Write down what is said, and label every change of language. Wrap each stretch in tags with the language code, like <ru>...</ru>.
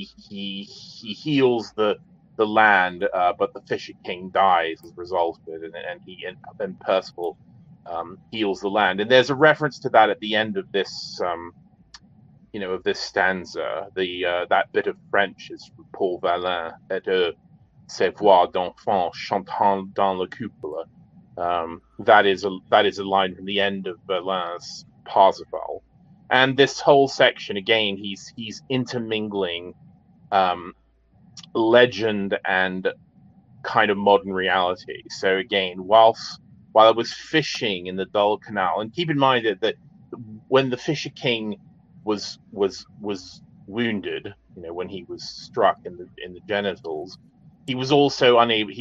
<en>He heals the land, but the Fisher King dies as a result of it, and Percival heals the land. And there's a reference to that at the end of this, of this stanza. That bit of French is from Paul Valin,</en> <fr>et de ses voix d'enfant chantant dans la cupola.</fr> <en>That is a line from the end of Valin's Parsifal. And this whole section, again, he's intermingling legend and kind of modern reality. So again, while I was fishing in the dull canal, and keep in mind that when the Fisher King was wounded, you know, when he was struck in the genitals, he was also unable.</en>